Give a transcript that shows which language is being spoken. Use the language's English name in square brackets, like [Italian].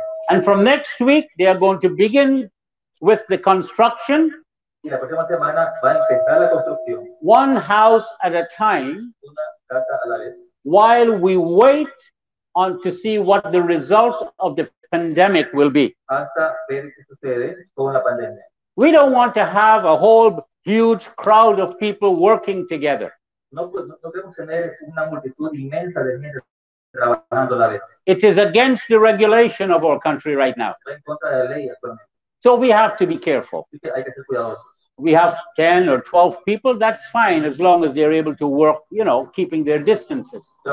[English] And from next week, they are going to begin with the construction. [Spanish] Y la próxima semana va a empezar la construcción. [English] One house at a time. [Spanish] Una casa a la vez. [English] While we wait on to see what the result of the pandemic will be. [Spanish] Hasta ver qué sucede con la pandemia. [English] We don't want to have a whole huge crowd of people working together. [Spanish] No, pues, no queremos tener una multitud inmensa de gente trabajando a la vez. [English] It is against the regulation of our country right now. [Spanish] Va en contra de la ley actualmente. [English] So we have to be careful. We have 10 or 12 people, that's fine as long as they're able to work, you know, keeping their distances.